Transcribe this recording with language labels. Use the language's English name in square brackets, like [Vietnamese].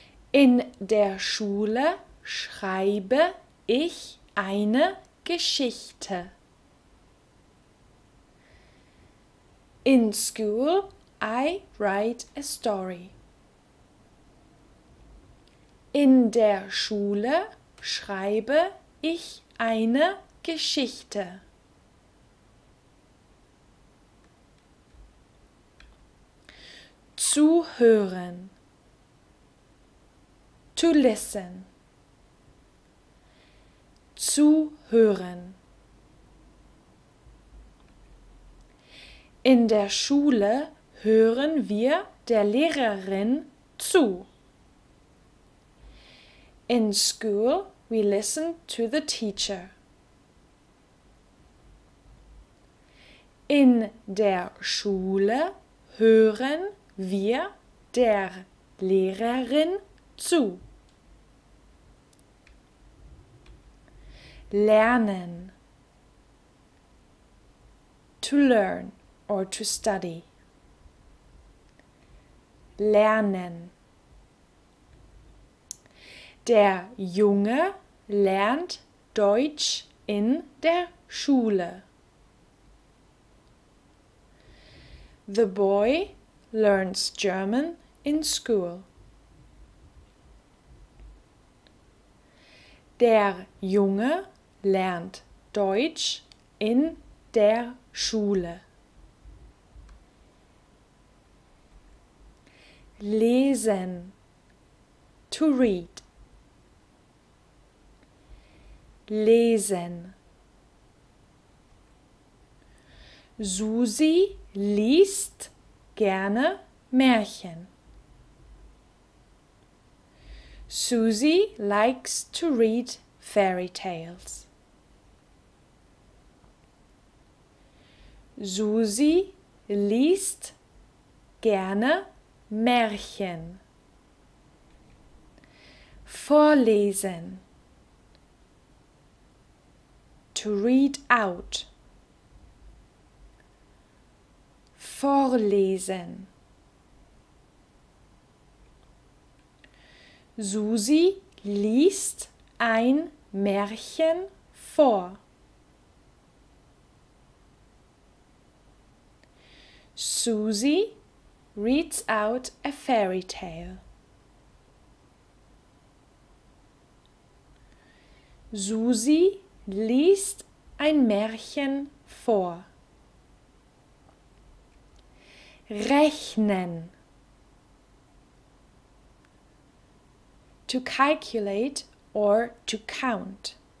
[German] In der Schule schreibe ich eine Geschichte. [English] In school I write a story. [German] In der Schule schreibe ich eine Geschichte. Zuhören. [English] To listen. [German] Zuhören. In der Schule hören wir der Lehrerin zu. [English] In school we listen to the teacher. [German] In der Schule hören wir der Lehrerin zu. Lernen. [English] To learn or to study. [German] Lernen. Der Junge lernt Deutsch in der Schule. [English] The boy learns German in school. [German] Der Junge lernt Deutsch in der Schule. [English] Lesen. To read. [German] Lesen. Susi liest gerne Märchen. [English] Susi likes to read fairy tales. [German] Susi liest gerne Märchen. Vorlesen. [English] To read out. [German] Vorlesen. Susi liest ein Märchen vor. [English] Susi reads out a fairy tale. [German] Susi liest ein Märchen vor. Rechnen. [English] To calculate or to count.